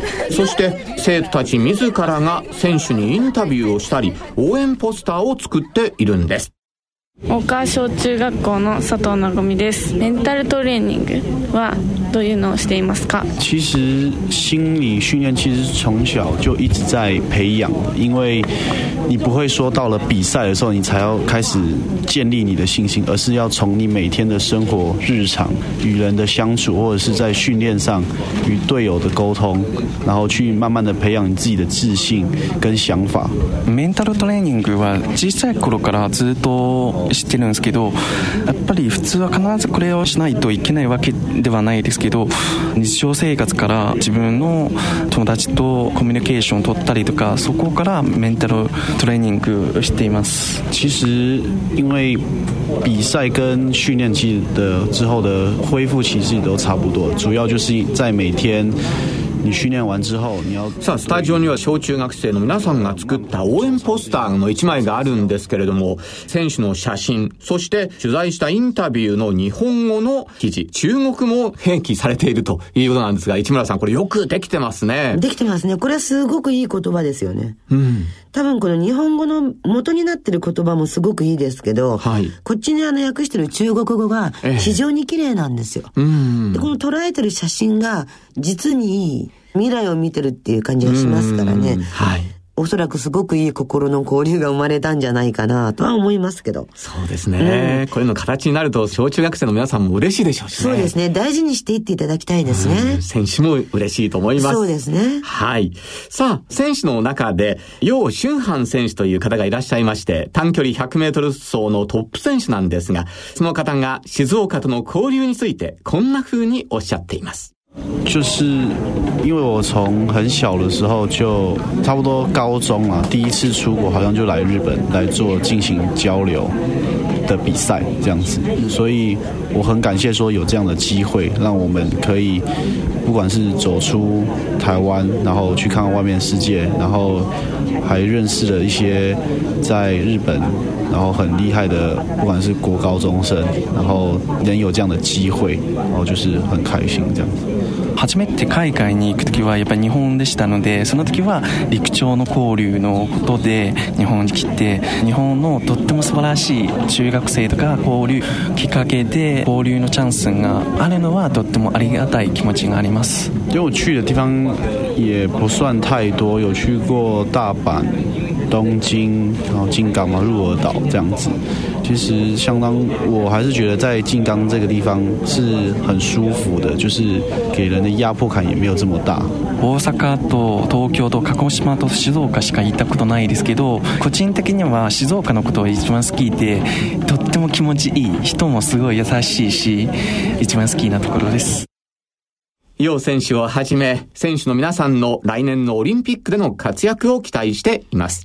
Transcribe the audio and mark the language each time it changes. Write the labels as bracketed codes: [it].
[ja] そして生徒たち自らが選手にインタビューをしたり、応援ポスターを作っているんです。岡小中学校の佐藤なごみです。メンタルトレーニングはどういうのをしていますか？ [zh] 其实心理训练其实从小就一直在培养，因为你不会说到了比赛的时候你才要开始建立你的信心，而是要从你每天的生活日常与人的相处，或者是在训练上与队友的沟通，然后去慢慢的培养你自己的自信跟想法。 [ja] メンタルトレーニングは小さい頃からずっと知ってるんですけど、やっぱり普通は必ずこれをしないといけないわけではないですけど、日常生活から自分の友達とコミュニケーションを取ったりとか、そこからメンタルトレーニングをしています。 [zh] 其实因为比赛跟训练之后的恢复期其实都差不多，主要就是在每天你训练完之后你要 [ja] さあスタジオには小中学生の皆さんが作った応援ポスターの一枚があるんですけれども、選手の写真、そして取材したインタビューの日本語の記事、中国も併記されているということなんですが、市村さん、これよくできてますね。できてますね。これはすごくいい言葉ですよね。うん、多分この日本語の元になってる言葉もすごくいいですけど、はい、こっちにあの訳してる中国語が非常に綺麗なんですよ。でこの捉えてる写真が実にいい未来を見てるっていう感じがしますからね。はい、おそらくすごくいい心の交流が生まれたんじゃないかなとは思いますけど。そうですね、うん、こういうの形になると小中学生の皆さんも嬉しいでしょうしね。そうですね、大事にしていっていただきたいですね。選手も嬉しいと思います。そうですね、はい。さあ、選手の中で楊俊瀚選手という方がいらっしゃいまして、短距離100メートル走のトップ選手なんですが、その方が静岡との交流についてこんな風におっしゃっています。 [zh] 就是因为我从很小的时候就差不多高中啊，第一次出国好像就来日本来做进行交流的比赛这样子，所以我很感谢说有这样的机会让我们可以不管是走出台湾然后去看看外面世界，然后还认识了一些在日本然后很厉害的不管是国高中生，然后能有这样的机会然后就是很开心这样子。 [ja] 初めて海外に行くときはやっぱり日本でしたので、その時は陸上の交流のことで日本に来て、日本のとっても素晴らしい中学生とか交流きっかけで交流のチャンスがあるのはとってもありがたい気持ちがあります。 [zh] 因为我去的地方也不算太多，有去过大阪、东京、然后静冈嘛、鹿儿岛这样子，其实相当，我还是觉得在静冈这个地方是很舒服的，就是给人的压迫感也没有这么大。 [ja] 大阪と東京と鹿児島と静岡しか行ったことないですけど、個人的には静岡のことを一番好きで、とっても気持ちいい、人もすごい優しいし、一番好きなところです。楊選手をはじめ選手の皆さんの来年のオリンピックでの活躍を期待しています。